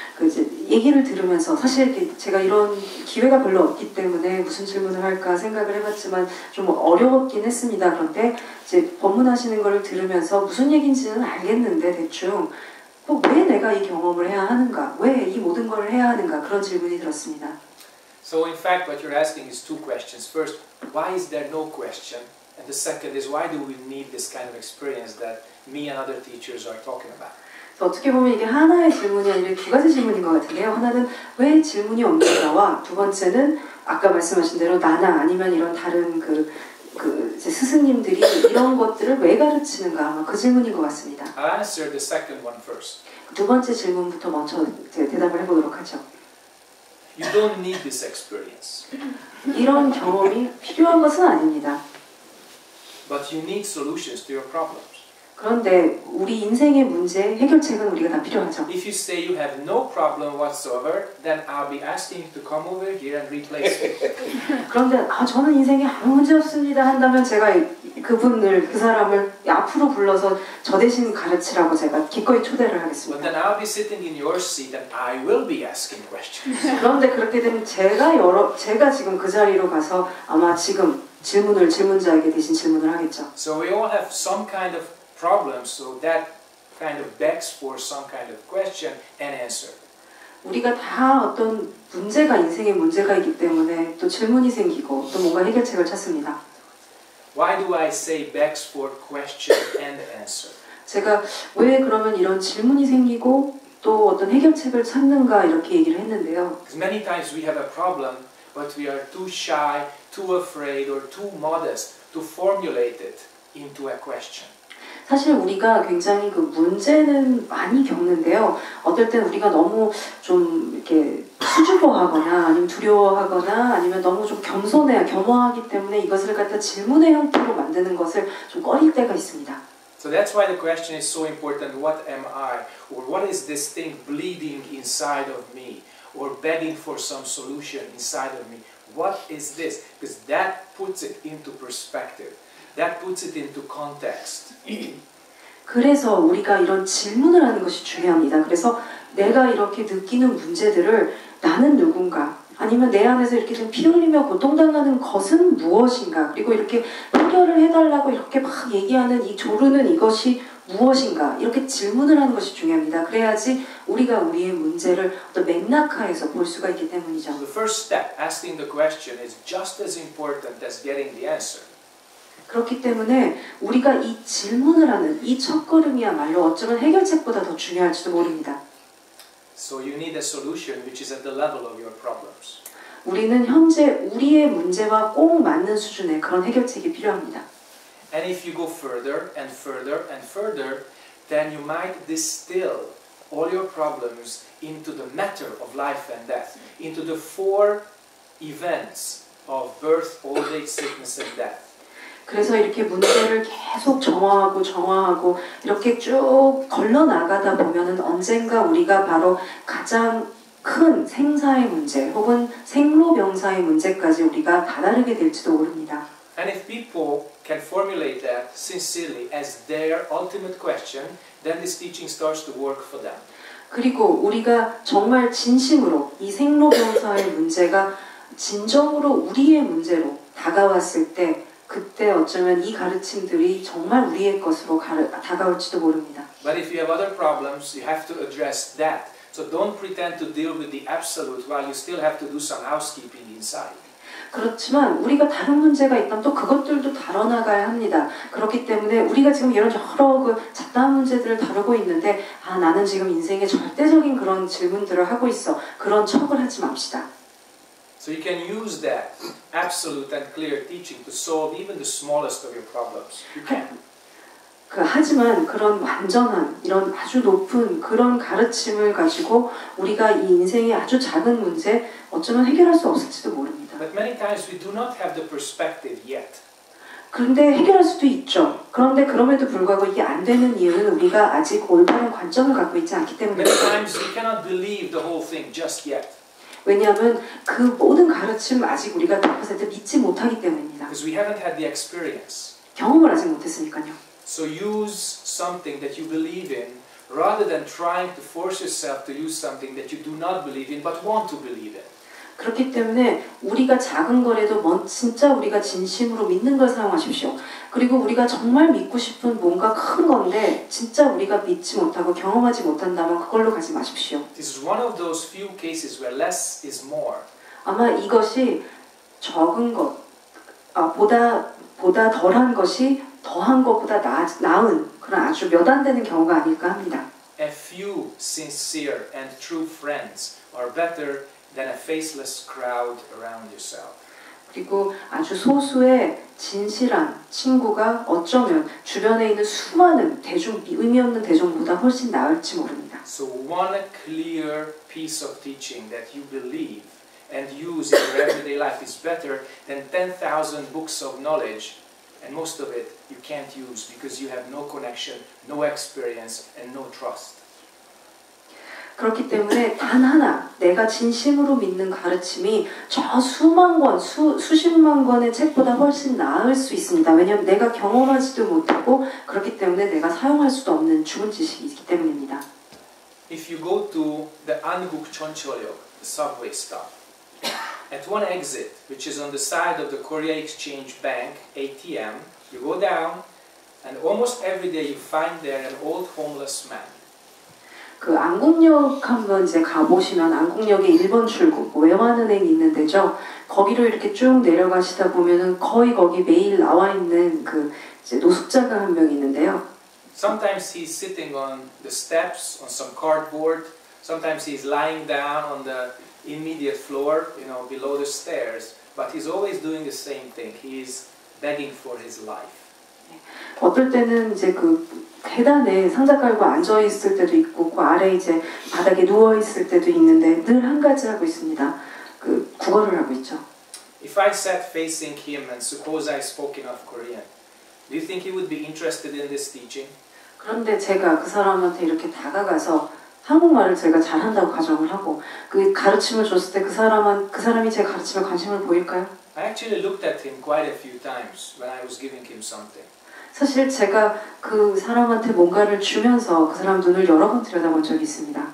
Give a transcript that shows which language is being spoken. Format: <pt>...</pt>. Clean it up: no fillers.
<ko>그 이제 얘기를 들으면서 사실 제가 이런 기회가 별로 없기 때문에 무슨 질문을 할까 생각을 해봤지만 좀 어려웠긴 했습니다. 그런데 이제 법문하시는 걸 들으면서 무슨 얘기인지는 알겠는데 대충 꼭 왜 내가 이 경험을 해야 하는가? 왜 이 모든 걸 해야 하는가? 그런 질문이 들었습니다.</ko> <en>So in fact what you're asking is two questions. First, why is there no question? And the second is why do we need this kind of experience that me and other teachers are talking about?</en> <ko>어떻게 보면 이게 하나의 질문이 아니라 두 가지 질문인 것 같은데요. 하나는 왜 질문이 없는가와 두 번째는 아까 말씀하신 대로 나나 아니면 이런 다른 그 이제 스승님들이 이런 것들을 왜 가르치는가 아마 그 질문인 것 같습니다.</ko> <en>I'll answer the second one first.</en> <ko>두 번째 질문부터 먼저 대답을 해보도록 하죠.</ko> <en>You don't need this experience.</en> <ko>이런 경험이 필요한 것은 아닙니다.</ko> <en>But you need solutions to your problems.</en> <ko>그런데 우리 인생의 문제 해결책은 우리가 다 필요하죠.</ko> <en>If you say you have no problem whatsoever, then I'll be asking you to come over here and replace me.</en> <ko>그런데 저는 인생에 아무 문제 없습니다 한다면 제가 그 사람을 앞으로 불러서 저 대신 가르치라고 제가 기꺼이 초대를 하겠습니다.</ko> <en>But then I'll be sitting in your seat and I will be asking questions.</en> <ko>그런데 그렇게 되면 제가 지금 그 자리로 가서 아마 지금 질문을 질문자에게 대신 질문을 하겠죠.</ko> <en>So we all have some kind of problems, so that kind of begs for some kind of question and answer.</en> <ko>우리가 다 어떤 문제가 인생의 문제가 있기 때문에 또 질문이 생기고 또 뭔가 해결책을 찾습니다.</ko> <en>Why do I say begs for question and answer?</en> <ko>제가 왜 그러면 이런 질문이 생기고 또 어떤 해결책을 찾는가 이렇게 얘기를 했는데요.</ko> <en>Many times we have a problem, but we are too shy, too afraid, or too modest to formulate it into a question.</en> <ko>사실 우리가 굉장히 그 문제는 많이 겪는데요. 어떨 때는 우리가 너무 좀 이렇게 수줍어하거나 아니면 두려워하거나 아니면 너무 좀 겸손해야 겸허하기 때문에 이것을 갖다 질문의 형태로 만드는 것을 좀 꺼릴 때가 있습니다.</ko> <en>So that's why the question is so important. What am I? Or what is this thing bleeding inside of me? Or begging for some solution inside of me? What is this? Because that puts it into perspective. That puts it into context.</en> <ko>그래서 우리가 이런 질문을 하는 것이 중요합니다. 그래서 내가 이렇게 느끼는 문제들을 나는 누군가 아니면 내 안에서 이렇게 좀 피 흘리며 고통당하는 것은 무엇인가 그리고 이렇게 해결을 해달라고 이렇게 막 얘기하는 이 조르는 이것이 무엇인가 이렇게 질문을 하는 것이 중요합니다. 그래야지 우리가 우리의 문제를 또 맥락화해서 볼 수가 있기 때문이죠.</ko> <en>The first step, asking the question, is just as important as getting the answer.</en> <ko>그렇기 때문에 우리가 이 질문을 하는 이 첫 걸음이야말로 어쩌면 해결책보다 더 중요할지도 모릅니다.</ko> <en>So you need a solution which is at the level of your problems.</en> <ko>우리는 현재 우리의 문제와 꼭 맞는 수준의 그런 해결책이 필요합니다.</ko> <en>And if you go further and further and further, then you might distill all your problems into the matter of life and death, into the four events of birth, old age, sickness, and death.</en> <ko>그래서 이렇게 문제를 계속 정화하고 정화하고 이렇게 쭉 걸러나가다 보면은 언젠가 우리가 바로 가장 큰 생사의 문제 혹은 생로병사의 문제까지 우리가 다다르게 될지도 모릅니다.</ko> <en>And if people can formulate that sincerely as their ultimate question, then this teaching starts to work for them.</en> <ko>그리고 우리가 정말 진심으로 이 생로병사의 문제가 진정으로 우리의 문제로 다가왔을 때 그때 어쩌면 이 가르침들이 정말 우리의 것으로 다가올지도 모릅니다.</ko> <en>But if you have other problems, you have to address that. So don't pretend to deal with the absolute while you still have to do some housekeeping inside.</en> <ko>그렇지만 우리가 다른 문제가 있다면 또 그것들도 다뤄나가야 합니다. 그렇기 때문에 우리가 지금 이런 여러 그 잡다한 문제들을 다루고 있는데 아 나는 지금 인생의 절대적인 그런 질문들을 하고 있어. 그런 척을 하지 맙시다.</ko> <en>So you can use that absolute and clear teaching to solve even the smallest of your problems. You can.</en> <ko>하지만 그런 완전한 이런 아주 높은 그런 가르침을 가지고 우리가 이 인생의 아주 작은 문제 어쩌면 해결할 수 없을지도 모릅니다.</ko> <en>But many times we do not have the perspective yet.</en> <ko>그런데 해결할 수도 있죠. 그런데 그럼에도 불구하고 이게 안 되는 이유는 우리가 아직 올바른 관점을 갖고 있지 않기 때문입니다.</ko> <en>Many times we cannot believe the whole thing just yet.</en> <ko>왜냐하면 그 모든 가르침 아직 우리가 100% 믿지 못하기 때문입니다.</ko> <en>Because we haven't had the experience.</en> <ko>경험을 아직 못했으니까요.</ko> <en>So use something that you believe in, rather than trying to force yourself to use something that you do not believe in, but want to believe in.</en> <ko>그렇기 때문에 우리가 작은 거라도 진짜 우리가 진심으로 믿는 걸 사용하십시오. 그리고 우리가 정말 믿고 싶은 뭔가 큰 건데 진짜 우리가 믿지 못하고 경험하지 못한다면 그걸로 가지 마십시오.</ko> <en>This is one of those few cases where less is more.</en> <ko>아마 이것이 적은 것 보다 덜한 것이 더한 것보다 나은 그런 아주 몇 안 되는 경우가 아닐까 합니다.</ko> <en>A few sincere and true friends are better than a faceless crowd around yourself.</en> <ko>그리고 아주 소수의 진실한 친구가 어쩌면 주변에 있는 수많은 대중 의미 없는 대중보다 훨씬 나을지 모릅니다.</ko> <en>So one clear piece of teaching that you believe and use in your everyday life is better than 10,000 books of knowledge, and most of it you can't use because you have no connection, no experience, and no trust.</en> <ko>그렇기 때문에 단 하나 내가 진심으로 믿는 가르침이 저 수만 권, 수십만 권의 책보다 훨씬 나을 수 있습니다. 왜냐하면 내가 경험하지도 못하고 그렇기 때문에 내가 사용할 수도 없는 죽은 지식이기 때문입니다.</ko> <en>If you go to the Anguk Cheoncheol-yeok, the subway stop, at one exit, which is on the side of the Korea Exchange Bank, ATM, you go down, and almost every day you find there an old homeless man.</en> <ko>그 안국역 한번 이제 가보시면 안국역에 1번 출구 외환은행 있는데죠. 거기로 이렇게 쭉 내려가시다 보면은 거의 거기 매일 나와 있는 그 이제 노숙자가 한 명 있는데요.</ko> <en>Sometimes he's sitting on the steps on some cardboard. Sometimes he's lying down on the immediate floor, you know, below the stairs. But he's always doing the same thing. He's begging for his life.</en> <ko>어떨 때는 이제 그 계단에 상자 깔고 앉아 있을 때도 있고 그 아래 이제 바닥에 누워 있을 때도 있는데 늘 한 가지 하고 있습니다. 그 구걸을 하고 있죠.</ko> <en>If I sat facing him and suppose I spoke enough Korean, do you think he would be interested in this teaching?</en> <ko>그런데 제가 그 사람한테 이렇게 다가가서 한국말을 제가 잘한다고 가정을 하고 그 가르침을 줬을 때 그 사람이 제 가르침에 관심을 보일까요?</ko> <en>I actually looked at him quite a few times when I was giving him something.</en> <ko>사실 제가 그 사람한테 뭔가를 주면서 그 사람 눈을 여러 번 들여다본 적이 있습니다.</ko>